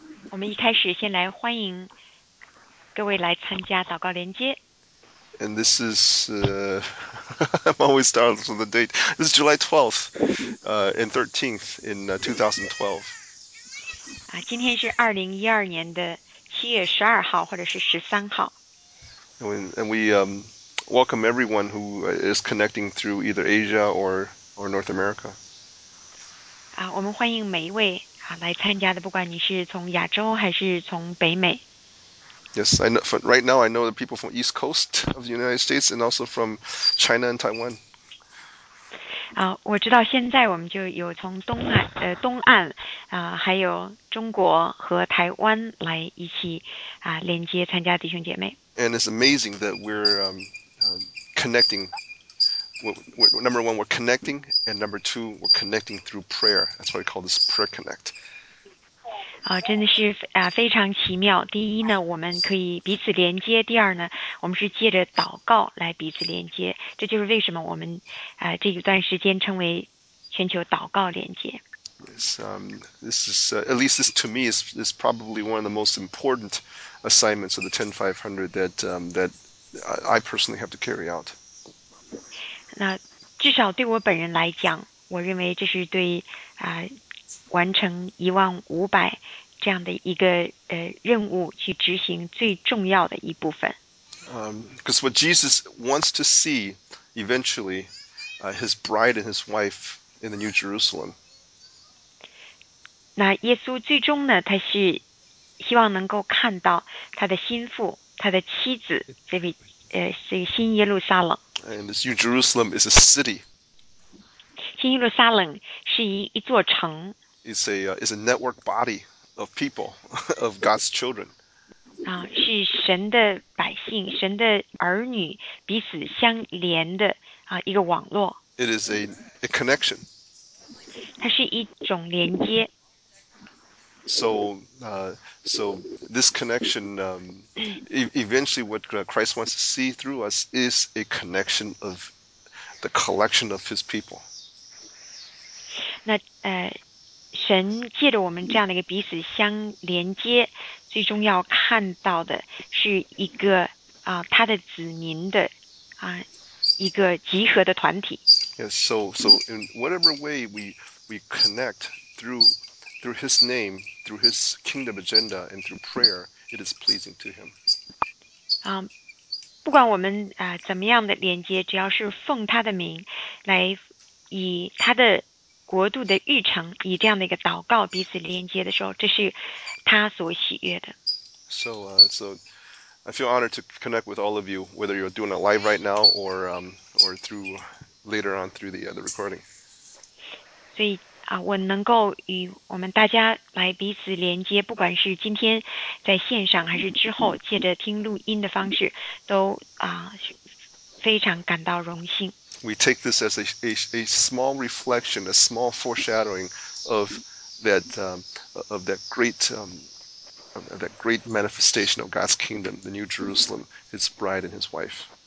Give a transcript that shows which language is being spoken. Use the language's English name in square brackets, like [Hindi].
[Chinese] 我们一开始先来欢迎各位来参加祷告连接。 [English] And this is I'm always startled with the date. This is July 12th and 13th in 2012. [Chinese] 今天是2012年的7月12号或者是13号。 [English] And we welcome everyone who is connecting through either Asia or North America. [Chinese] 我们欢迎每一位来参加的，不管你是从亚洲还是从北美。 [English] Yes, I know. Right now, I know the people from East Coast of the United States and also from China and Taiwan. 我知道现在我们就有从东岸还有中国和台湾来一起连接参加弟兄姐妹。 And it's amazing that we're connecting. Number one, we're connecting, and number two, we're connecting through prayer. That's why we call this Prayer Connect. [Chinese] 真的是非常奇妙。第一呢，我们可以彼此连接；第二呢，我们是借着祷告来彼此连接。这就是为什么我们这一段时间称为全球祷告连接。 [English] This is at least this to me is probably one of the most important assignments of the 10500 that I personally have to carry out. [Chinese] 那至少对我本人来讲，我认为这是对完成1500这样的一个任务去执行最重要的一部分。 [English] Because what Jesus wants to see eventually, his bride and his wife in the New Jerusalem. [Chinese] 那耶稣最终呢，他是希望能够看到他的心腹、他的妻子这个新耶路撒冷。 [English] And this New Jerusalem is a city. [Chinese] 新耶路撒冷是一座城。 [English] It's a network body of people, of God's children. [Chinese] 是神的百姓，神的儿女彼此相连的一个网络。 [English] It is a connection. [Chinese] 它是一种连接。 [English] So this connection, eventually what Christ wants to see through us is a connection of the collection of his people. [Chinese] 那神借着我们这样的一个彼此相连接，最终要看到的是一个他的子民的一个集合的团体。 [English] Yes, so in whatever way we connect through his name, through his kingdom agenda, and through prayer, it is pleasing to him. [Chinese] 不管我们怎么样的连接，只要是奉他的名来以他的国度的日程，以这样的一个祷告彼此连接的时候，这是他所喜悦的。 [English] So I feel honored to connect with all of you, whether you're doing it live right now or through later on through the recording. [Chinese] 所以我能够与我们大家来彼此连接，不管是今天在线上还是之后借着听录音的方式，都非常感到荣幸。 [English] We take this as a small reflection, a small foreshadowing of that great manifestation of God's kingdom, the New Jerusalem, His bride and His wife.